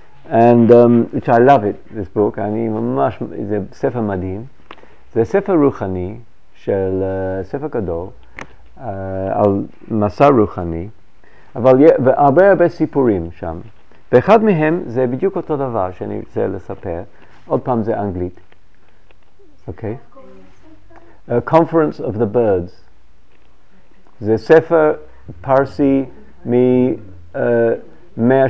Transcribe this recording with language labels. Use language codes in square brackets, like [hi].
[en] And which I love it, this book. I mean, [he] ממש, זה ספר מדהים. זה ספר רוחני של ספר גדול על מסע רוחני. אבל הרבה הרבה סיפורים שם. ואחד מהם זה בדיוק אותו דבר שאני רוצה לספר. עוד פעם זה אנגלית. Okay. A Conference of the Birds. זה ספר פרסי מ-113.